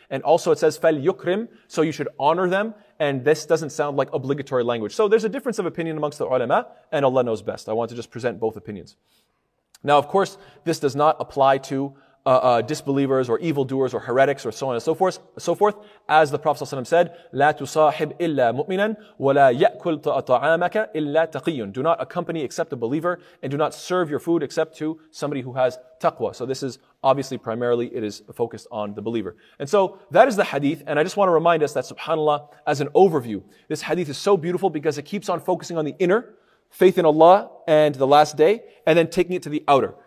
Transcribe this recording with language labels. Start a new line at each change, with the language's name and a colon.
English: And also it says فَلْيُكْرِمْ, so you should honor them. And this doesn't sound like obligatory language. So there's a difference of opinion amongst the ulama, and Allah knows best. I want to just present both opinions. Now, of course, this does not apply to disbelievers or evildoers or heretics or so on and so forth. As the Prophet ﷺ said,
Arabic: لا تصاحب إلا مؤمنا ولا يأكل طعامك إلا تقيٌ.
English: Do not accompany except a believer, and do not serve your food except to somebody who has taqwa. So this is obviously primarily it is focused on the believer. And so that is the hadith, and I just want to remind us that subhanAllah, as an overview, this hadith is so beautiful because it keeps on focusing on the inner, faith in Allah and the last day, and then taking it to the outer.